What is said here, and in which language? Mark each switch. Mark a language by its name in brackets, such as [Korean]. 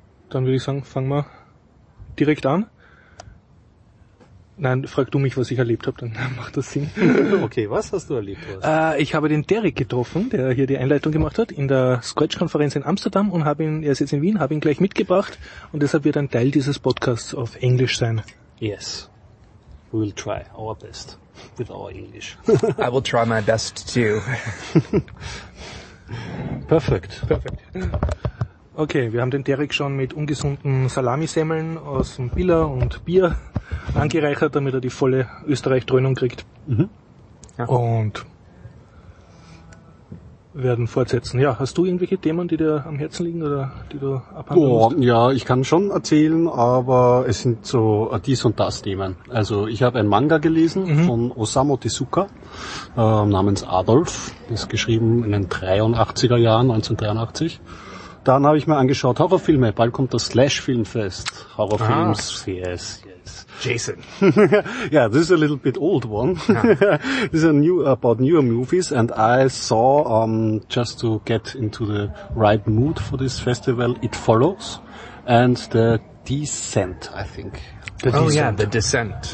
[German] Dann würde ich sagen, fangen wir direkt an. Nein, frag du mich, was ich erlebt habe, dann macht das Sinn. Okay, was hast du erlebt? Ich habe den Derek getroffen, der hier die Einleitung gemacht hat, in der Scratch-Konferenz in Amsterdam und er ist jetzt in Wien, habe ihn gleich mitgebracht und deshalb wird ein Teil dieses Podcasts auf Englisch sein. [English] Yes, we will try our best with our English. I will try my best too. Perfect. Perfect. [German] Okay, wir haben den Derek schon mit ungesunden Salamisemmeln aus dem Billa und Bier angereichert, damit er die volle Österreich-Dröhnung kriegt. Mhm. Ja. Und werden fortsetzen. Ja, hast du irgendwelche Themen, die dir am Herzen liegen oder die du abhandeln musst? Ja, ich kann schon erzählen, aber es sind so dies und das Themen. Also ich habe ein Manga gelesen von Osamu Tezuka namens Adolf. Ist geschrieben in den 83er Jahren, 1983. Dann habe ich mir angeschaut, Horrorfilme, bald kommt das Slash-Filmfest. [English] Horrorfilms, yes, yes. Jason. Ja, yeah, this is a little bit old one. This is a new about newer movies and I saw, just to get into the right mood for this festival, It Follows and The Descent, I think. The Descent.